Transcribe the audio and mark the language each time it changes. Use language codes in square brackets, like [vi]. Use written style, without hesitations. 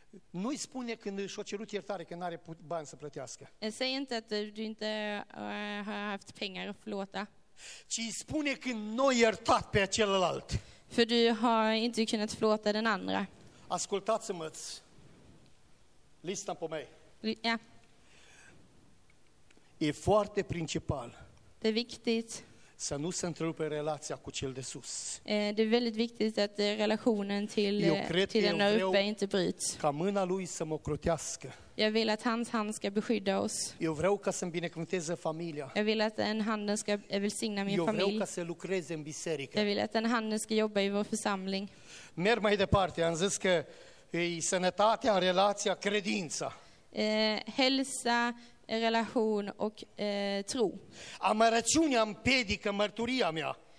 [ro] Nu-i spune când și-o cerut iertare că n-are bani să plătească. [sv] Säg inte att du inte har haft pengar att förlåta. [ro] Ci spune când nu ai iertat pe celălalt. [sv] För du har inte kunnat förlåta den andra. [ro] Ascultați-mă. Lista pe mei. Yeah. E foarte principal. [sv] Det är viktigt. [ro] Să nu se întrerupe relația cu cel de sus. [sv] Det är väldigt viktigt att relationen till den uppe inte bryts. [ro] Ca mâna lui să mă ocrotească. [sv] Jag vill att hans hand ska beskydda oss. [ro] Eu vreau ca să-mi binecuvânteze familia. [sv] Jag vill att en hand ska välsigna min familj. [ro] Eu vreau ca să lucreze în biserică. [sv] Jag vill att en hand ska jobba i vår församling. [ro] Merg mai departe, am zis că ei sănătatea, relația, credința. [sv] Hälsa, relation och tro. [ro] Amărăciunea împiedică mărturia mea.